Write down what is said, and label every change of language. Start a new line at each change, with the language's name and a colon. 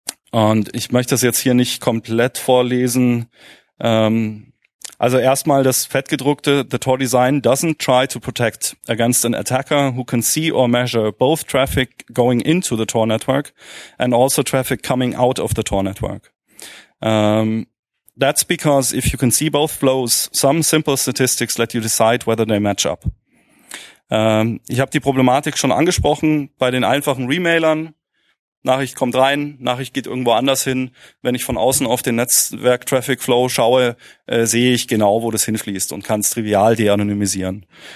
German: Und ich möchte das jetzt hier nicht komplett vorlesen. Also erstmal das fettgedruckte,
English: the Tor design doesn't try to protect against an attacker who can see or measure both traffic going into the Tor network and also traffic coming out of the Tor network. That's because if you can see both flows, some simple statistics let you decide whether they match up.
German: Ich habe die Problematik schon angesprochen bei den einfachen Remailern. Nachricht kommt rein, Nachricht geht irgendwo anders hin. Wenn ich von außen auf den Netzwerk-Traffic-Flow schaue, sehe ich genau, wo das hinfließt und kann es trivial de-anonymisieren.